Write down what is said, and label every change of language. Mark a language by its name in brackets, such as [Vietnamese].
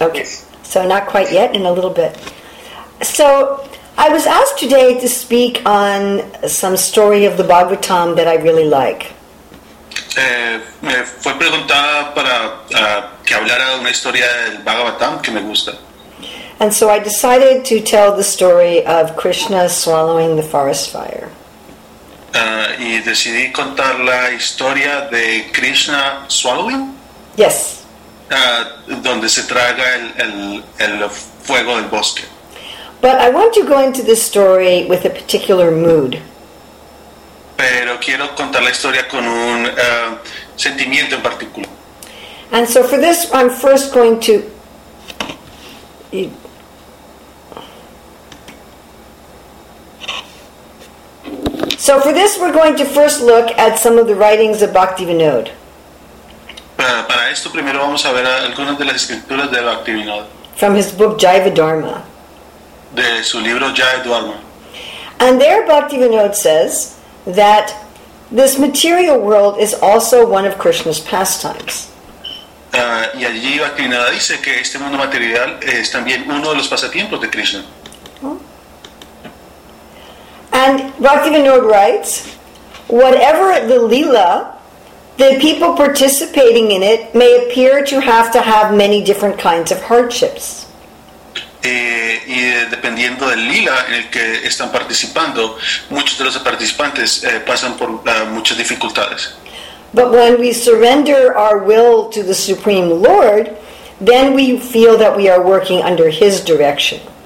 [English] Okay, so not quite yet, in a little bit. So I was asked today to speak on some story of the Bhagavatam that I really like. [Spanish] Fue preguntada para que hablara de una historia del Bhagavatam que me gusta. [English] And so I decided to tell the story of Krishna swallowing the forest fire. [Spanish] Y decidí contar la historia de Krishna [English] swallowing? Yes. [Spanish] Donde se traga el fuego del bosque. [English] But I want to go into this story with a particular mood. [Spanish] Pero quiero contar la historia con un sentimiento en particular. [English] And so for this I'm first going to... So for this, we're going to first look at some of the writings of Bhaktivinoda. [Spanish] Para esto, primero vamos a ver algunas de las escrituras de Bhaktivinoda. [English] From his book Jivadharma. [Spanish] De su libro Jivadharma. [English] And there, Bhaktivinoda says that this material world is also one of Krishna's pastimes. [Spanish] Y allí Bhaktivinoda dice que este mundo material es también uno de los pasatiempos de Krishna. [English] And Bhaktivinoda writes, whatever the lila, the people participating in it may appear to have many different kinds of hardships. [Spanish] Y dependiendo del lila en el que están participando, muchos de los participantes pasan por muchas dificultades. [English] But when we surrender our will to the Supreme Lord, then we feel that we are working under His direction.